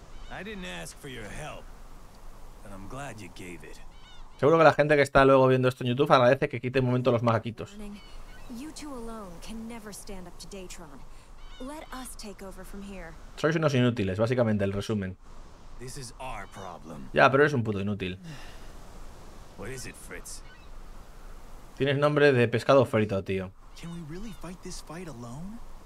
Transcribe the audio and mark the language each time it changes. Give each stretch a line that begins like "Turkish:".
English: I didn't ask for your help, but I'm glad you gave it.
Spanish: Seguro que la gente que está luego viendo esto en YouTube agradece que quite un momento los majaquitos.
English: You two alone can never stand up to Daytron. Let us take over from here.
Spanish: Sois unos inútiles, básicamente el resumen.
English: This is our problem.
Spanish: Ya, pero eres un puto inútil.
English: What is it,
Spanish: Fritz? Tienes nombre de pescado frito, tío.
English: Can we really fight this fight alone?